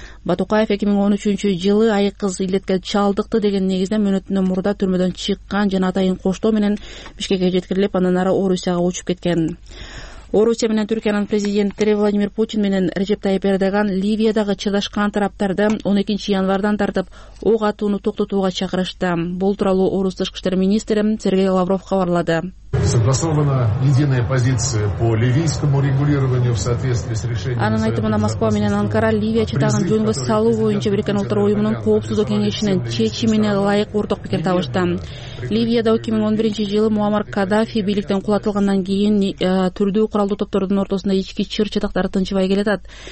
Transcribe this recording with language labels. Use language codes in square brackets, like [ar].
[ky] Батукаев 2013-жылы айыкыз илдетке чалдыкты деген негизде мөөнөтүнө мурда түрмөдөн чыккан жана атайын коштоо менен Бишкекке жеткирилип, андан ары Орусияга учуп кеткен. Орусия менен Түркиянын президенттери Владимир Путин менен Режеп Тайип Эрдоган Ливиядагы чыдашкан тараптарды 12 январдан тартып ок атууну токтотууга чакырышты. Бул тууралуу Орус тышкы иштер министри Сергей Лавров кабарлады. [ru] Согласована единая позиция по ливийскому регулированию в соответствии с решением. [ky] Анын айтымында Москва менен Анкара Ливия чыдагын жөнгө салуу боюнча Бириккен Улуттар Уюмунун коопсуздук кеңешинин чечимине ылайык ортак пикир табышты. Ливияда 2011-жылы Муаммар Каддафи бийликтен кулатылгандан кийин түрдүү куралдуу топтордун ортосунда ички чыр чатактар тынчыбай келатат.